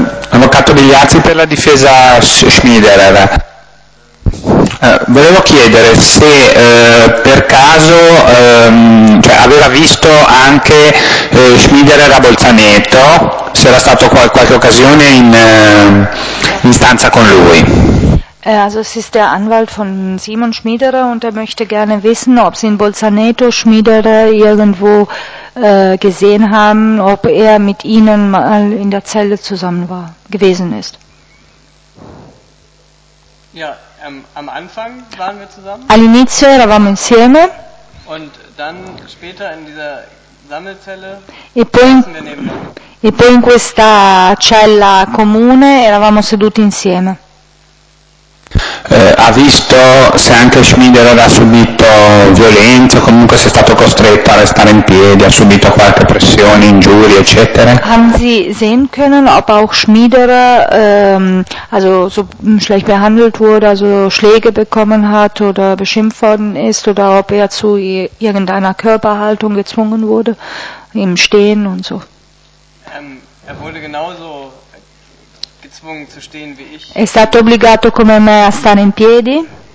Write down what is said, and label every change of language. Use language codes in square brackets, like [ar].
[it] Avvocato Bigliazzi per la difesa Schmiderer. Volevo chiedere se per caso cioè aveva visto anche Schmiderer a Bolzaneto, se era stato qualche occasione in stanza con lui. [de] Also es ist der Anwalt von Simon Schmiderer und er möchte gerne wissen, ob sie in Bolzaneto Schmiderer irgendwo gesehen haben, ob er mit ihnen mal in der Zelle zusammen war, gewesen ist. Ja. Am Anfang waren wir zusammen. [it] All'inizio eravamo insieme. [de] Und dann später in dieser Sammelzelle. [it] E poi in questa cella comune eravamo seduti insieme. Ha visto se anche Schmiderer ha subito violenza, comunque se è stato costretto a restare in piedi, ha subito qualche pressione, ingiurie, eccetera. [de] Haben Sie sehen können, ob auch Schmiderer also so schlecht behandelt wurde, also Schläge bekommen hat oder beschimpft worden ist oder ob er zu irgendeiner Körperhaltung gezwungen wurde, im Stehen und so? Er wurde genauso gezwungen zu stehen wie ich. [it] È stato obbligato come me a stare in piedi.